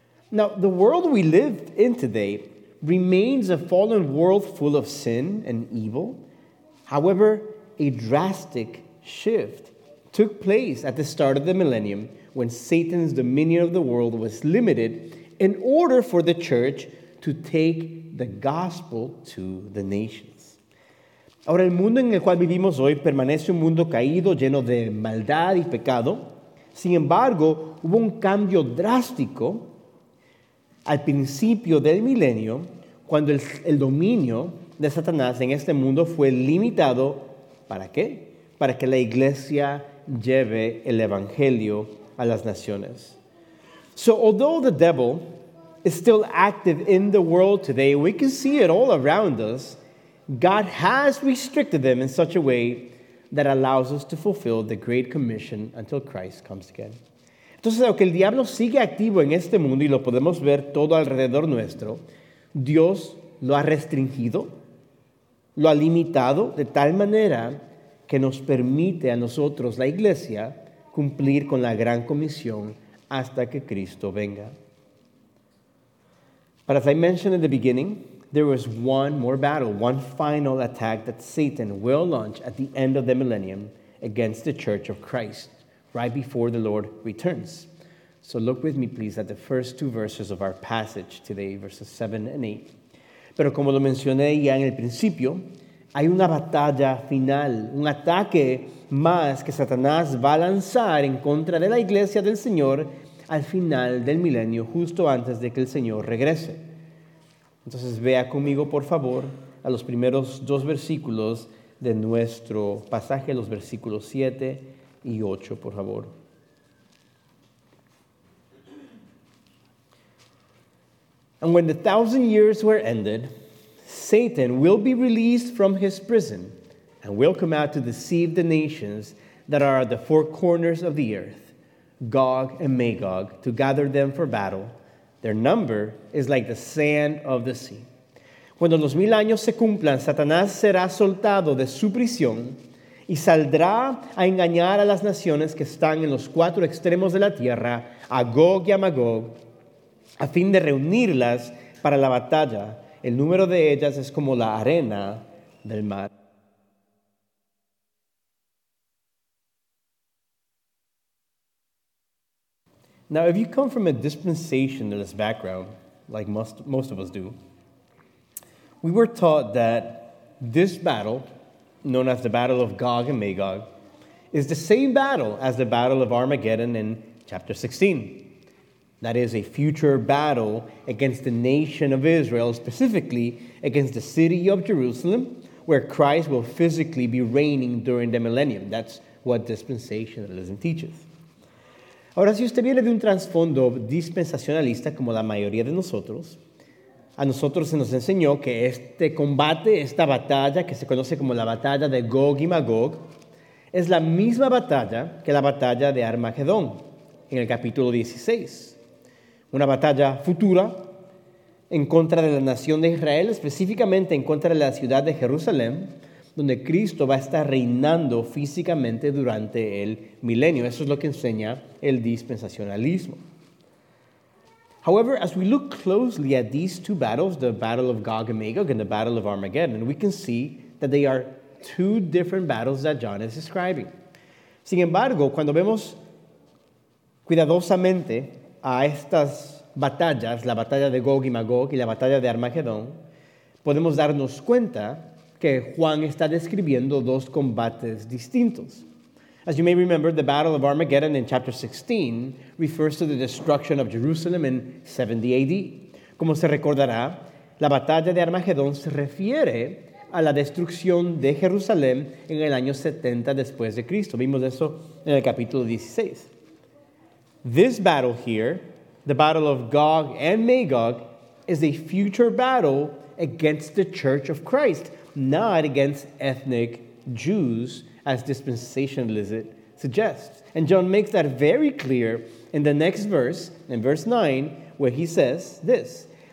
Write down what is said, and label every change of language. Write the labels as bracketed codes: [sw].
[en] Now, the world we live in today remains a fallen world full of sin and evil. However, a drastic shift took place at the start of the millennium when Satan's dominion of the world was limited in order for the church to take the gospel to the nations. [es] Ahora, el mundo en el cual vivimos hoy permanece un mundo caído, lleno de maldad y pecado. Sin embargo, hubo un cambio drástico al principio del milenio cuando el dominio de Satanás en este mundo fue limitado. ¿Para qué? Para que la iglesia lleve el evangelio a las naciones. [en] So although the devil is still active in the world today, we can see it all around us, God has restricted them in such a way that allows us to fulfill the great commission until Christ comes again. [es] Entonces, aunque el diablo sigue activo en este mundo y lo podemos ver todo alrededor nuestro, Dios lo ha restringido, lo ha limitado de tal manera que nos permite a nosotros, la iglesia, cumplir con la gran comisión hasta que Cristo venga. [en] But as I mentioned in the beginning, there was one more battle, one final attack that Satan will launch at the end of the millennium against the Church of Christ, right before the Lord returns. So look with me, please, at the first two verses of our passage today, verses 7 and 8. [es] Pero como lo mencioné ya en el principio, hay una batalla final, un ataque más que Satanás va a lanzar en contra de la iglesia del Señor al final del milenio, justo antes de que el Señor regrese. Entonces vea conmigo, por favor, a los primeros dos versículos de nuestro pasaje, los versículos 7 y 8, por favor. [en] And when the 1,000 years were ended, Satan will be released from his prison and will come out to deceive the nations that are at the four corners of the earth, Gog and Magog, to gather them for battle. Their number is like the sand of the sea. [es] Cuando los 1,000 años se cumplan, Satanás será soltado de su prisión y saldrá a engañar a las naciones que están en los cuatro extremos de la tierra, a Gog y a Magog, a fin de reunirlas para la batalla. El número de ellas es como la arena del mar. [en] Now, if you come from a dispensationalist background, like most of us do, we were taught that this battle, known as the Battle of Gog and Magog, is the same battle as the Battle of Armageddon in chapter 16. That is a future battle against the nation of Israel, specifically against the city of Jerusalem, where Christ will physically be reigning during the millennium. That's what dispensationalism teaches. [es] Ahora, si usted viene de un trasfondo dispensacionalista como la mayoría de nosotros, a nosotros se nos enseñó que este combate, esta batalla que se conoce como la batalla de Gog y Magog, es la misma batalla que la batalla de Armagedón en el capítulo 16. Una batalla futura en contra de la nación de Israel, específicamente en contra de la ciudad de Jerusalén, donde Cristo va a estar reinando físicamente durante el milenio. Eso es lo que enseña el dispensacionalismo. [en] However, as we look closely at these two battles, the Battle of Gog and Magog and the Battle of Armageddon, we can see that they are two different battles that John is describing. [es] Sin embargo, cuando vemos cuidadosamente a estas batallas, la batalla de Gog y Magog y la batalla de Armagedón, podemos darnos cuenta que Juan está describiendo dos combates distintos. [en] As you may remember, the Battle of Armageddon in chapter 16 refers to the destruction of Jerusalem in 70 AD. [es] Como se recordará, la batalla de Armagedón se refiere a la destrucción de Jerusalén en el año 70 después de Cristo. Vimos eso en el capítulo 16. [en] This battle here, the Battle of Gog and Magog, is a future battle against the Church of Christ, not against ethnic Jews, as dispensationalism suggests. And John makes that very clear in the next verse, in verse 9, where he says this,